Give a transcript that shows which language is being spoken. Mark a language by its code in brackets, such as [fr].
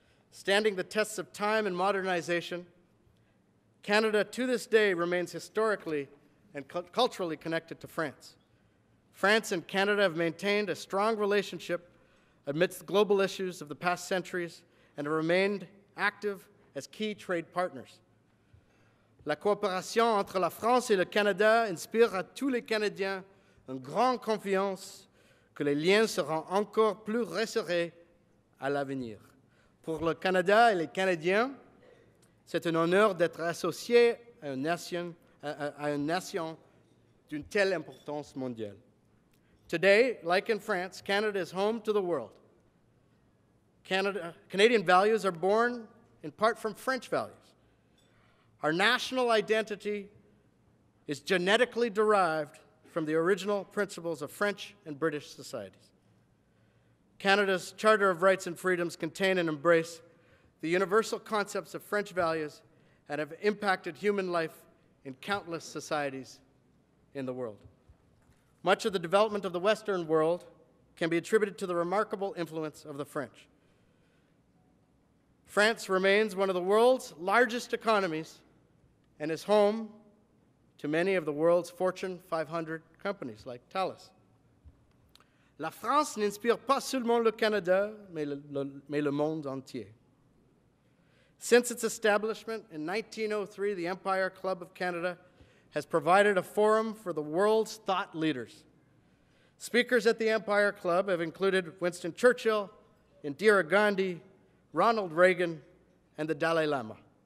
[en] Standing the tests of time and modernization, Canada to this day remains historically and culturally connected to France. France and Canada have maintained a strong relationship amidst global issues of the past centuries and have remained active as key trade partners. [fr] La coopération entre la France et le Canada inspire à tous les Canadiens une grande confiance que les liens seront encore plus resserrés à l'avenir. Pour le Canada et les Canadiens, c'est un honneur d'être associé à une nation d'une telle importance mondiale. [en] Today, like in France, Canada is home to the world. Canadian values are born in part from French values. Our national identity is genetically derived from the original principles of French and British societies. Canada's Charter of Rights and Freedoms contain and embrace the universal concepts of French values and have impacted human life in countless societies in the world. Much of the development of the Western world can be attributed to the remarkable influence of the French. France remains one of the world's largest economies and is home to many of the world's Fortune 500 companies like Thales. [fr] La France n'inspire pas seulement le Canada, mais le monde entier. [en] Since its establishment in 1903, the Empire Club of Canada has provided a forum for the world's thought leaders. Speakers at the Empire Club have included Winston Churchill, Indira Gandhi, Ronald Reagan, and the Dalai Lama.